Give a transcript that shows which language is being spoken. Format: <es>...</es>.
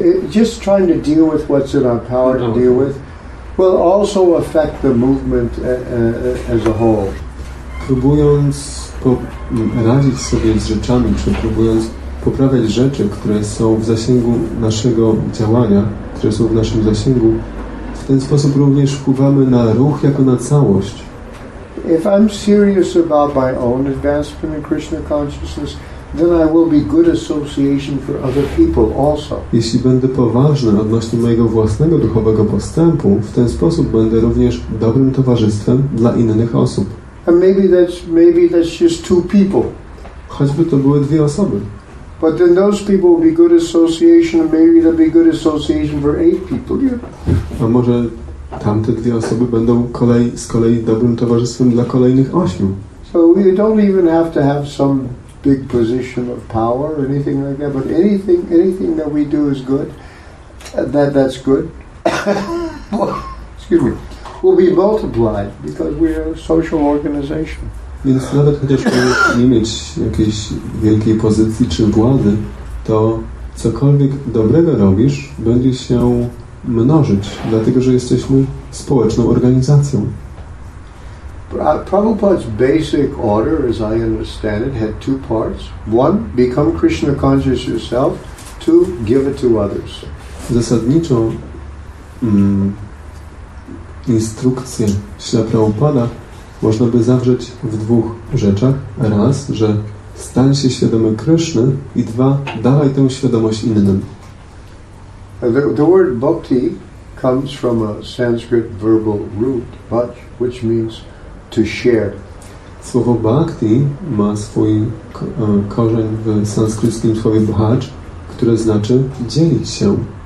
<en>Just trying to deal with what's in our power to deal with will also affect the movement as a whole.</en> <pl>Próbując radzić sobie z rzeczami, czy próbując poprawiać rzeczy, które są w zasięgu naszego działania, które są w naszym zasięgu, w ten sposób również wpływamy na ruch jako na całość.</pl> <en>If I'm serious about my own advancement in Krishna consciousness, then I will be good association for other people also.</en> <pl>Jeśli będę poważny odnośnie mojego własnego duchowego postępu, w ten sposób będę również dobrym towarzystwem dla innych osób.</pl> <en>And maybe that's just two people.</en> <pl>Choćby to były dwie osoby.</pl> <en>But then those people will be good association, and maybe they'll be good association for eight people.</en> <pl>A może tamte dwie osoby będą z kolei dobrym towarzystwem dla kolejnych ośmiu.</pl> <en>So we don't even have to have some big position of power or anything like that, but anything that we do is good, that's good. Excuse me. Will be multiplied because we are a social organization.</en> <pl>Więc nawet chociażby nie mieć jakiejś wielkiej pozycji czy władzy, to cokolwiek dobrego robisz, będzie się mnożyć, dlatego że jesteśmy społeczną organizacją.</pl> <en>Prabhupada's basic order, as I understand it, had two parts. One, become Krishna conscious yourself. Two, give it to others.</en> <pl>Zasadniczo instrukcję Śrila Prabhupada można by zawrzeć w dwóch rzeczach. Raz, że stań się świadomy Kryszny i dwa, dawaj tę świadomość innym.</pl> <en>The word bhakti comes from a Sanskrit verbal root, bhaj, which means to share.</en> <pl>Słowo bhakti ma swój korzeń w sanskryckim słowie bhaj, które znaczy dzielić się.</pl>